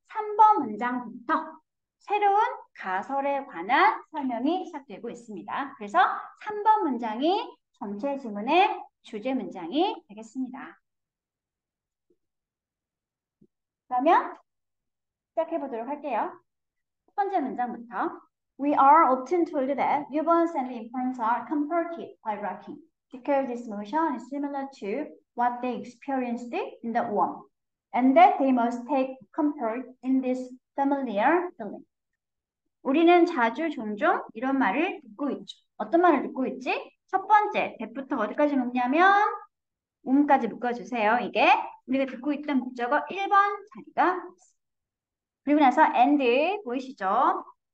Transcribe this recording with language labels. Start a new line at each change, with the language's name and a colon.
Korean: 3번 문장부터 새로운 가설에 관한 설명이 시작되고 있습니다. 그래서 3번 문장이 전체 질문의 주제 문장이 되겠습니다. 그러면 시작해 보도록 할게요. 첫 번째 문장부터
English: We are often told that newborns and infants are comforted by rocking. Because this motion is similar to what they experienced in the womb, and that they must take comfort in this familiar feeling.
Korean: 우리는 자주 종종 이런 말을 듣고 있죠. 어떤 말을 듣고 있지? 첫 번째, 배부터 어디까지 묶냐면, womb까지 묶어주세요. 이게 우리가 듣고 있던 목적어 1번 자리가 그리고 나서 end 보이시죠?